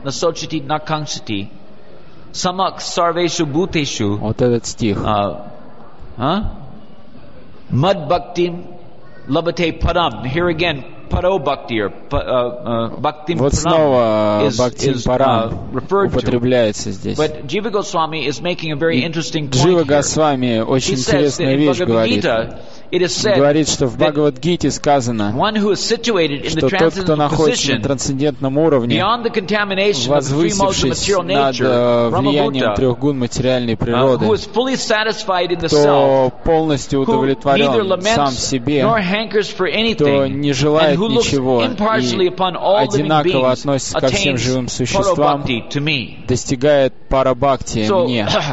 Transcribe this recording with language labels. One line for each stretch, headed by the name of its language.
Sanskrit: насочити накангсити самак сарвешу бутешу,
Russian: вот этот стих,
Sanskrit: мад бхактим лабате парам.
English: Here again,
Sanskrit: Paro-bhaktir, bhaktim
Russian: вот снова бхактим парам употребляется здесь.
English: But Jiva Goswami is making a very interesting point.
Russian: Джива Госвами очень интересную вещь говорит. Говорит, что в Бхагавад-гите сказано, что тот, кто находится на трансцендентном уровне, возвысившись над влиянием трех гун материальной природы, кто полностью удовлетворен сам себе, кто не желает ничего и одинаково относится ко всем живым существам, достигает пара-бхакти мне.